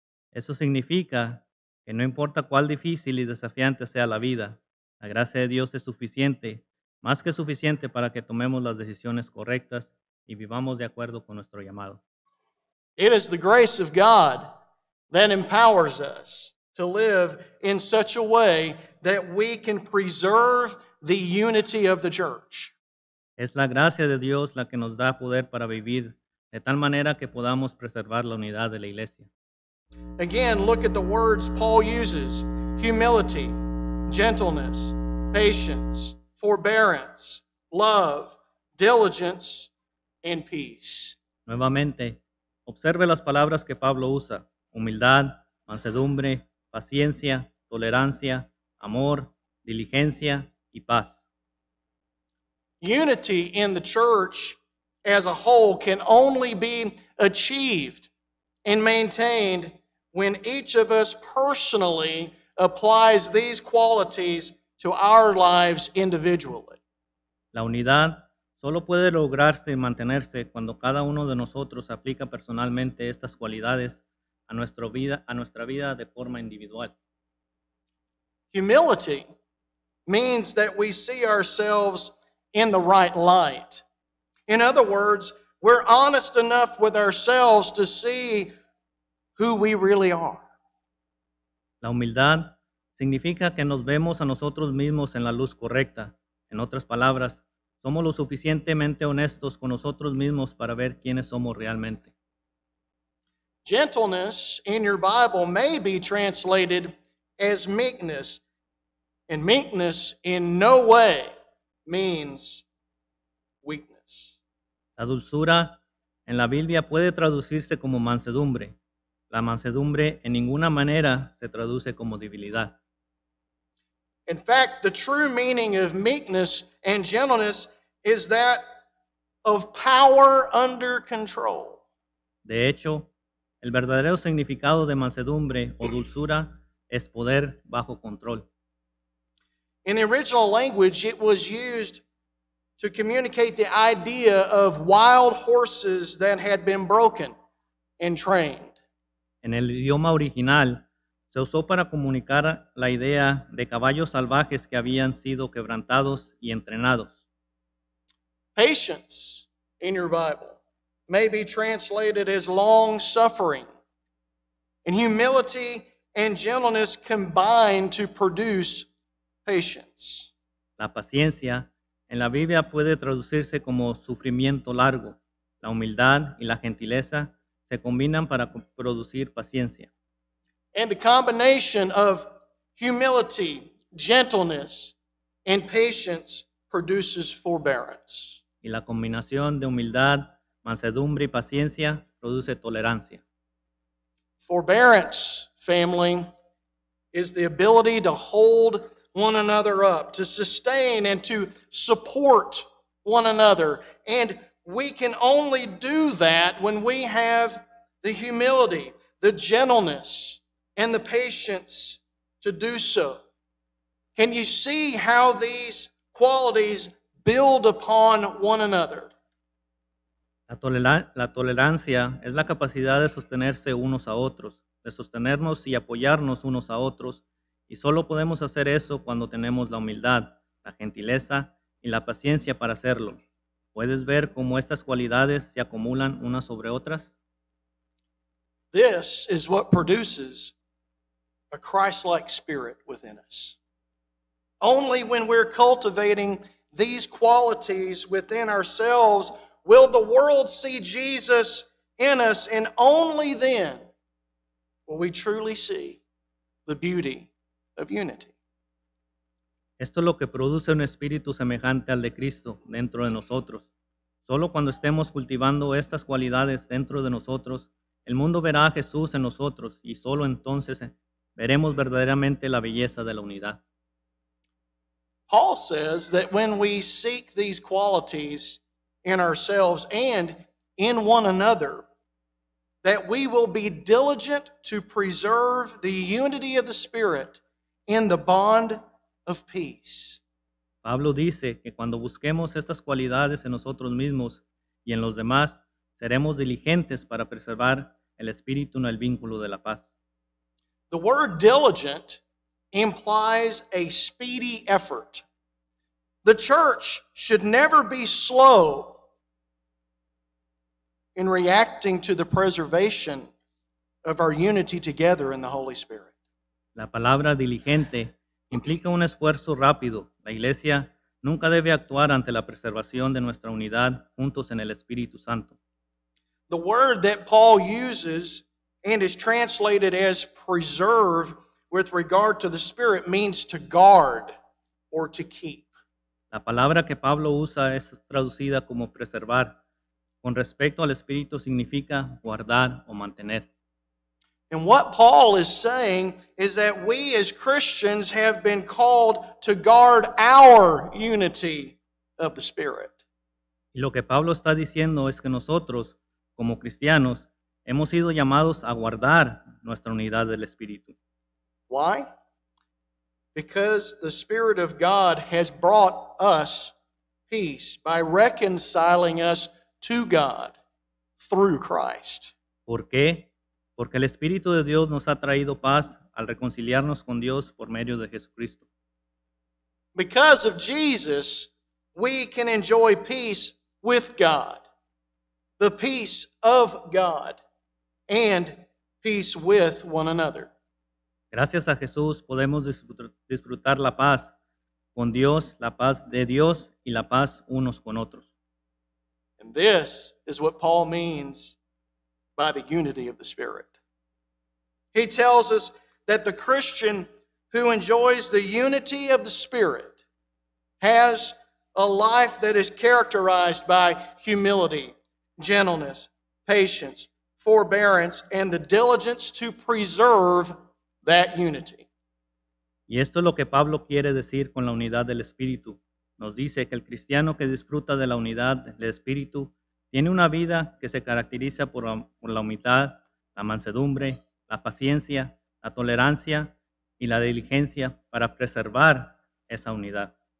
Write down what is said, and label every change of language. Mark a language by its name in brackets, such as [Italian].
[Spanish] Eso significa que no importa cuál difícil y desafiante sea la vida, la gracia de Dios es suficiente, más que suficiente para que tomemos las decisiones correctas y vivamos de acuerdo con nuestro llamado. [English] It is the grace of God that empowers us to live in such a way that we can preserve the unity of the church. [Spanish] Es la gracia de Dios la que nos da poder para vivir de tal manera que podamos preservar la unidad de la iglesia. [English] Again, look at the words Paul uses: humility, gentleness, patience, forbearance, love, diligence, in peace. [Spanish] Nuevamente, observe las palabras que Pablo usa: humildad, mansedumbre, paciencia, tolerancia, amor, diligencia y paz. [English] Unity in the church as a whole can only be achieved and maintained when each of us personally applies these qualities to our lives individually. [Spanish] La unidad solo puede lograrse y mantenerse cuando cada uno de nosotros aplica personalmente estas cualidades a nuestra vida de forma individual. [English] Humility means that we see ourselves in the right light. In other words, we're honest enough with ourselves to see who we really are. [Spanish] La humildad significa que nos vemos a nosotros mismos en la luz correcta. En otras palabras, somos lo suficientemente honestos con nosotros mismos para ver quiénes somos realmente. [English] Gentleness in your Bible may be translated as meekness, and meekness in no way means weakness. [Spanish] La dulzura en la Biblia puede traducirse como mansedumbre. La mansedumbre en ninguna manera se traduce como debilidad. [English] In fact, the true meaning of meekness and gentleness is that of power under control. [Spanish] De hecho, el verdadero significado de mansedumbre o dulzura es poder bajo control. [English] In the original language, it was used to communicate the idea of wild horses that had been broken and trained. [Spanish] En el idioma original, se usó para comunicar la idea de caballos salvajes que habían sido quebrantados y entrenados. [English] Patience in your Bible may be translated as long suffering, and humility and gentleness combine to produce patience. [Spanish] La paciencia en la Biblia puede traducirse como sufrimiento largo. La humildad y la gentileza se combinan para producir paciencia. [English] And the combination of humility, gentleness, and patience produces forbearance. [Spanish] Y la combinación de humildad, mansedumbre y paciencia produce tolerancia. [English] Forbearance, family, is the ability to hold one another up, to sustain and to support one another. And we can only do that when we have the humility, the gentleness, and the patience to do so. Can you see how these qualities build upon one another? [Spanish] La tolerancia es la capacidad de sostenerse unos a otros, de sostenernos y apoyarnos unos a otros, y solo podemos hacer eso cuando tenemos la humildad, la gentileza y la paciencia para hacerlo. ¿Puedes ver cómo estas cualidades se acumulan unas sobre otras? [English] This is what produces a Christ-like spirit within us. Only when we're cultivating these qualities within ourselves will the world see Jesus in us, and only then will we truly see the beauty of unity. [Spanish] Esto es lo que produce un espíritu semejante al de Cristo dentro de nosotros. Solo cuando estemos cultivando estas cualidades dentro de nosotros, el mundo verá a Jesús en nosotros y solo entonces veremos verdaderamente la belleza de la unidad. [English] Paul says that when we seek these qualities in ourselves and in one another, that we will be diligent to preserve the unity of the Spirit in the bond of peace. [Spanish] Pablo dice que cuando busquemos estas cualidades en nosotros mismos y en los demás, seremos diligentes para preservar el espíritu en el vínculo de la paz. [English] The word diligent implies a speedy effort. The church should never be slow in reacting to the preservation of our unity together in the Holy Spirit. [Spanish] La palabra diligente implica un esfuerzo rápido. La iglesia nunca debe actuar ante la preservación de nuestra unidad juntos en el Espíritu Santo. [English] The word that Paul uses and is translated as preserve with regard to the Spirit means to guard or to keep. [Spanish] La palabra que Pablo usa es traducida como preservar. Con respecto al Espíritu significa guardar o mantener. [English] And what Paul is saying is that we as Christians have been called to guard our unity of the Spirit. [Spanish] Y lo que Pablo está diciendo es que nosotros, como cristianos, hemos sido llamados a guardar nuestra unidad del Espíritu. [English] Why? Because the Spirit of God has brought us peace by reconciling us to God through Christ. [Spanish] ¿Por qué? Porque el Espíritu de Dios nos ha traído paz al reconciliarnos con Dios por medio de Jesucristo. [English] Because of Jesus, we can enjoy peace with God, the peace of God, and peace with one another. [Spanish] Gracias a Jesús podemos disfrutar la paz con Dios, la paz de Dios y la paz unos con otros. [English] And this is what Paul means by the unity of the Spirit. He tells us that the Christian who enjoys the unity of the Spirit has a life that is characterized by humility, gentleness, patience, forbearance, and the diligence to preserve that unity. [Spanish] Y esto es lo que Pablo quiere decir con la unidad del Espíritu. Nos dice que el cristiano que disfruta de la unidad del Espíritu tiene una vida que se caracteriza por la humildad, la mansedumbre, la paciencia, la tolerancia y la diligencia para preservar esa unidad.